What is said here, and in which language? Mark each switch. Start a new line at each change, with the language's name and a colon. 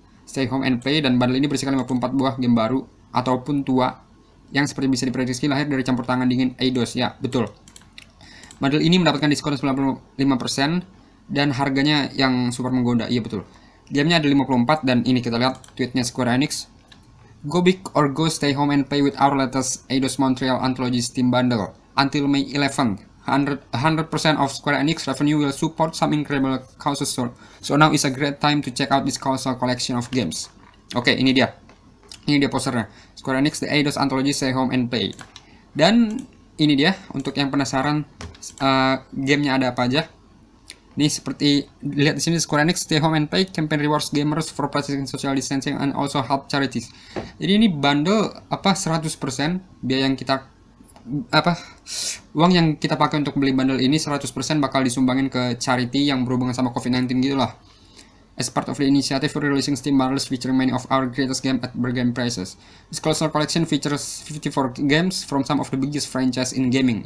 Indonesian: Stay Home and Play, dan bundle ini berisikan 54 buah game baru ataupun tua yang seperti bisa diprediksi lahir dari campur tangan dingin Eidos. Ya, betul. Bundle ini mendapatkan diskon 95% dan harganya yang super menggoda. Iya, betul. Gamenya ada 54, dan ini kita lihat tweetnya Square Enix.
English: Go big or go stay home and play with our latest Eidos Montreal Anthology Steam Bundle. Until May 11th, 100% of Square Enix revenue will support some incredible causes. So now is a great time to check out this colossal collection of games.
Indonesian: Oke, ini dia. Ini dia posternya. Square Enix The Eidos Anthology Stay Home and Play. Dan ini dia untuk yang penasaran gamenya ada apa aja. Nih seperti lihat di sini
English: Square Enix Stay Home and Play campaign rewards gamers for practicing social distancing and also help charities.
Indonesian: Jadi ini bundle apa 100% biaya yang kita apa uang yang kita pakai untuk beli bundle ini 100% bakal disumbangin ke charity yang berhubungan sama COVID-19 gitulah.
English: As part of the initiative for releasing Steam bundles featuring many of our greatest games at bargain prices. This colossal collection features 54 games from some of the biggest franchise in gaming.